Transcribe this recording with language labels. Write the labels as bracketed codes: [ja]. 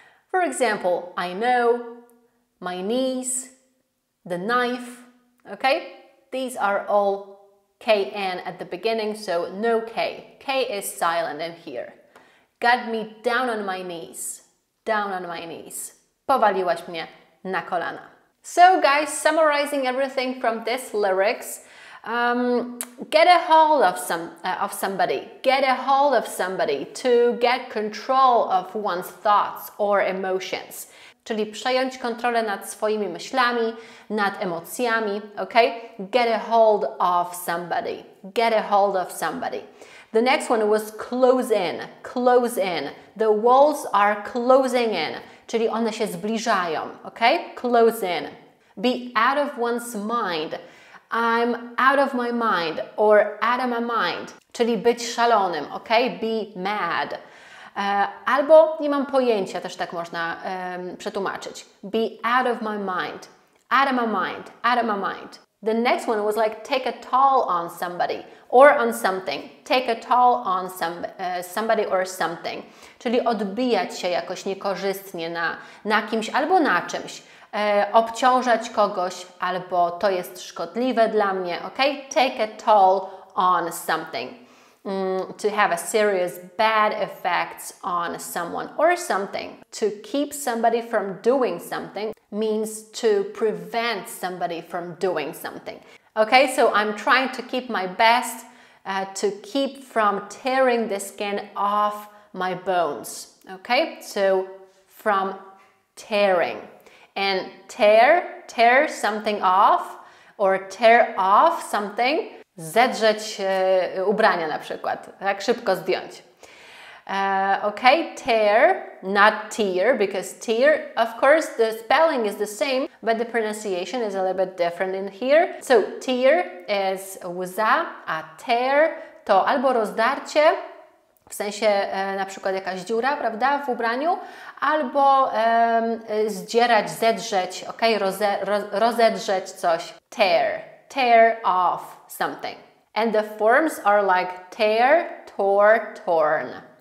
[en] For example, I know, my knees, the knife. Okay? These are all k, n at the beginning, so no k. K is silent in here. Got me down on my knees. Down on my knees. [pl] Powaliłaś mnie na kolana. [en] So guys, summarizing everything from this lyrics, get a hold of somebody. Get a hold of somebody to get control of one's thoughts or emotions. [pl] Czyli przejąć kontrolę nad swoimi myślami, nad emocjami, okay? [en] Get a hold of somebody. Get a hold of somebody. The next one was close in. Close in. The walls are closing in. [pl] Czyli one się zbliżają, okay? [en] Close in. Be out of one's mind. I'm out of my mind or out of my mind. [pl] Czyli być szalonym, ok? [en] Be mad. [pl] Albo nie mam pojęcia, też tak można przetłumaczyć. [en] Be out of my mind. Out of my mind. Out of my mind. The next one was like, take a toll on somebody or on something. Take a toll on somebody or something. [pl] Czyli odbijać się jakoś niekorzystnie na kimś albo na czymś. Obciążać kogoś albo to jest szkodliwe dla mnie. [en] Okay? Take a toll on something. To have a serious bad effect on someone or something. To keep somebody from doing something means to prevent somebody from doing something. Okay, so I'm trying to keep my best to keep from tearing the skin off my bones. Okay, so from tearing. And tear something off or tear off something. [pl] Zedrzeć ubrania na przykład, tak szybko zdjąć. [en] Okay, tear, not tear, because tear, of course, the spelling is the same, but the pronunciation is a little bit different in here. So, tear is [pl] łza, a tear to albo rozdarcie, w sensie na przykład jakaś dziura, prawda, w ubraniu, albo zdzierać, zedrzeć, okay, rozedrzeć coś. [en] Tear off something. And the forms are like tear, tore, torn.